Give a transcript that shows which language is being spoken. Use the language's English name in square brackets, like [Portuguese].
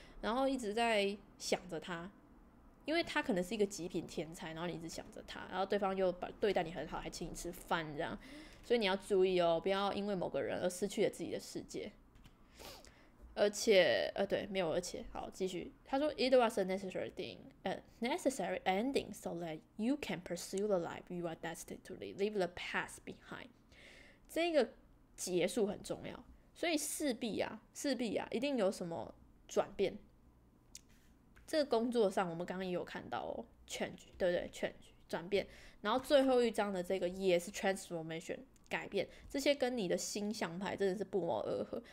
[Chinese] 然后一直在想着他。因为他可能是一个极品天才，然后你一直想着他，然后对方又把对待你很好，还请你吃饭这样，所以你要注意哦，不要因为某个人而失去了自己的世界。而且，对，没有而且，好，继续。他说， [English] It was a necessary thing, a necessary ending, so that you can pursue the life you are destined to live, leave the past behind。 [Chinese] 这个结束很重要，所以势必啊，一定有什么转变。这个工作上，我们刚刚也有看到哦，change，对不对？change 转变，然后最后一章的这个也是 transformation 改变，这些跟你的星象牌真的是不谋而合。